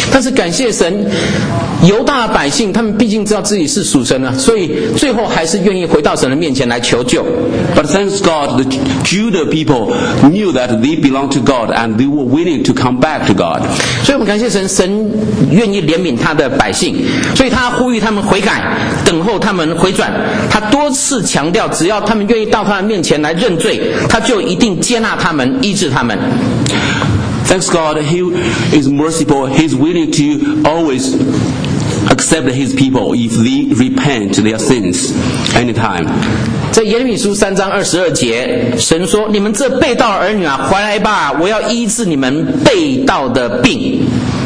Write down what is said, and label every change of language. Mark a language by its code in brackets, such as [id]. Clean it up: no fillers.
[zh] 但是感谢神，犹大的百姓他们毕竟知道自己是属神了，所以最后还是愿意回到神的面前来求救。 [en] But thanks God, the Judah people knew that they belong to God, and they were willing to come back to God. [zh] 所以我们感谢神，神愿意怜悯他的百姓，所以他呼吁他们悔改。等候他们回转，他多次强调，只要他们愿意到他的面前来认罪，他就一定接纳他们，医治他们。 [en] Thanks God, He is merciful. He's willing to always accept His people if they repent their sins anytime. [zh] 在耶利米书三章二十二节，神说：“你们这被盗儿女啊，回来吧，我要医治你们被盗的病。”